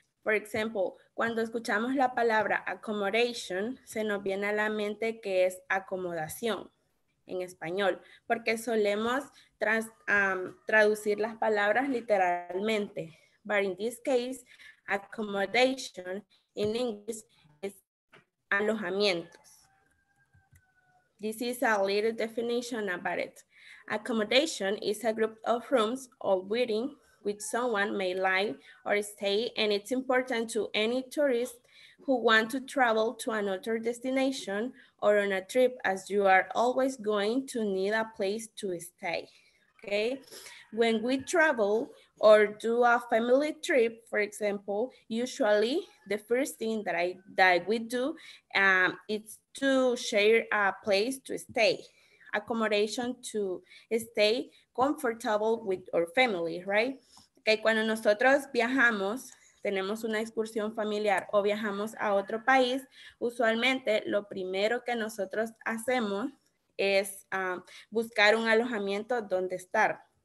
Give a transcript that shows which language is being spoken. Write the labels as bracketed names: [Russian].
[English] For example, [Spanish] cuando escuchamos la palabra accommodation, se nos viene a la mente que es acomodación en español, porque solemos traducir las palabras literalmente. [English] But in this case, accommodation in English is [Spanish] alojamientos. [English] This is a little definition about it. Accommodation is a group of rooms or buildings which someone may live or stay, and it's important to any tourist who want to travel to another destination or on a trip, as you are always going to need a place to stay, okay? When we travel or do a family trip, for example, usually the first thing that we do is to share a place to stay, accommodation to stay comfortable with our family, right? [Spanish] Que cuando nosotros viajamos, tenemos una excursión familiar o viajamos a otro país, usualmente lo primero que nosotros hacemos es buscar un alojamiento donde estar.